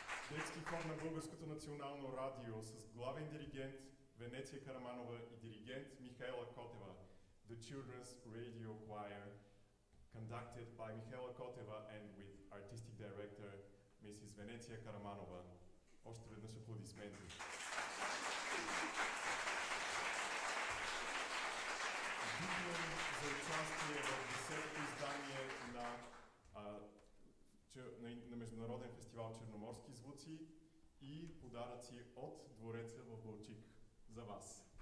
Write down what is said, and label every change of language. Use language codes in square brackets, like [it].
[bg] Детски хор на Българското национално радио с главен диригент Венеция Караманова и диригент Михайла Котева. [en] The Children's Radio Choir, conducted by Михайла Котева and with artistic director Mrs. Венеция Караманова. [bg] Още веднъж аплодисменти. Дипломи за участие в 10-то издание на, на Международен фестивал Черноморски звуци и подаръци от Двореца в Балчик за вас.